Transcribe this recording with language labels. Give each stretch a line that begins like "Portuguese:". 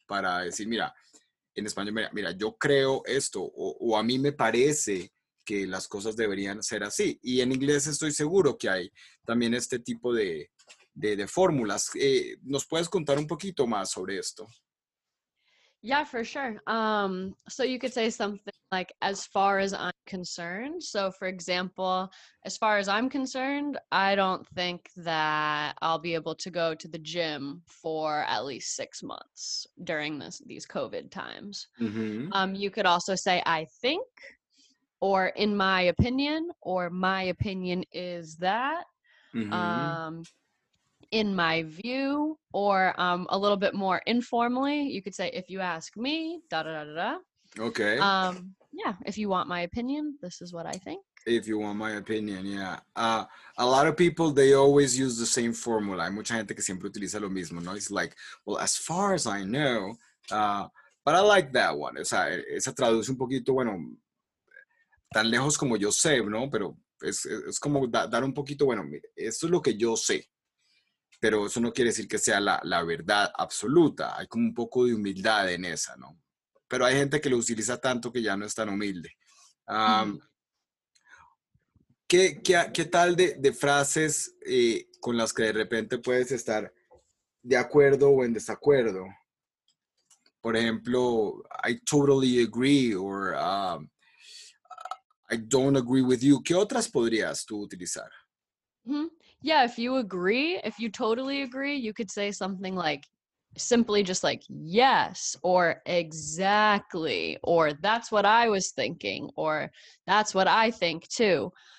Spanish: Para decir, mira, en español, mira, yo creo esto, o a mí me parece que las cosas deberían ser así. Y en inglés estoy seguro que hay también este tipo de fórmulas. ¿Nos puedes contar un poquito más sobre esto?
English: Yeah, for sure. So you could say something like, as far as I'm concerned. So for example, as far as I'm concerned, I don't think that I'll be able to go to the gym for at least 6 months during these COVID times. Mm-hmm. You could also say, I think, or in my opinion is that. Mm-hmm. In my view, or a little bit more informally, you could say, if you ask me, da da da da da. Okay. Yeah, if you want my opinion, this is what I think. If you want my opinion, yeah. A lot of people, they always use the same formula.
Spanish: Hay mucha gente que siempre utiliza lo mismo, ¿no?
English: It's like, well, as far as I know, but I like that one.
Spanish: O sea, esa traduce un poquito, bueno, tan lejos como yo sé, ¿no? Pero es como dar un poquito, bueno, esto es lo que yo sé. Pero eso no quiere decir que sea la verdad absoluta. Hay como un poco de humildad en esa, ¿no? Pero hay gente que lo utiliza tanto que ya no es tan humilde. ¿Qué tal de frases con las que de repente puedes estar de acuerdo o en desacuerdo? Por ejemplo,
English: I totally agree or I don't agree with you.
Spanish: ¿Qué otras podrías tú utilizar? Mm-hmm.
English: Yeah, if you totally agree, you could say something like, simply just like, yes, or exactly, or that's what I was thinking, or that's what I think too.